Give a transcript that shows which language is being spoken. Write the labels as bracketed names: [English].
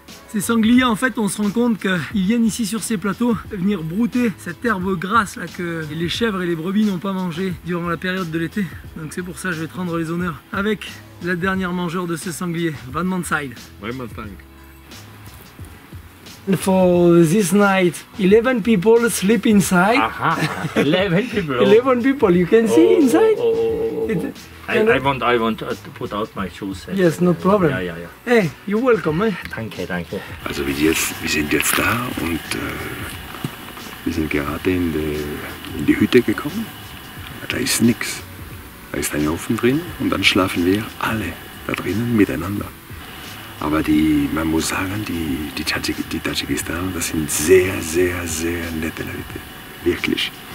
[French] Ces sangliers, en fait, on se rend compte qu'ils viennent ici sur ces plateaux venir brouter cette herbe grasse là que les chèvres et les brebis n'ont pas mangé durant la période de l'été. Donc c'est pour ça que je vais te rendre les honneurs avec la dernière mangeur de ce sanglier, Van Manside. Vraiment, thank. [English] For this night, 11 people sleep inside. Aha, 11 people. 11 people, you can see inside. I want to put out my shoes. Yes, no problem. [German] Ja, ja, ja. [English] Hey, you're welcome. Eh? [German] Danke, danke. Also wir sind jetzt da und wir sind gerade in die Hütte gekommen. Da ist nichts. Da ist ein Ofen drin und dann schlafen wir alle da drinnen miteinander. Aber man muss sagen, die Tadschikistaner, das sind sehr, sehr, sehr nette Leute. Wirklich.